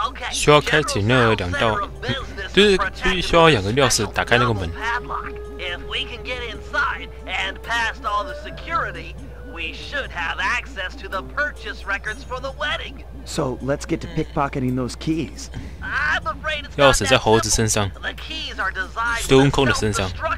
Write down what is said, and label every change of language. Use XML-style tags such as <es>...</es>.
<zh>需要开启那两道，就是需要两个钥匙打开那个门。</zh> <en>If we can get inside and past all the security, we should have access to the purchase records for the wedding. So let's get to pickpocketing those keys.</en> <zh>钥匙在猴子身上，孙悟空的身上。</zh>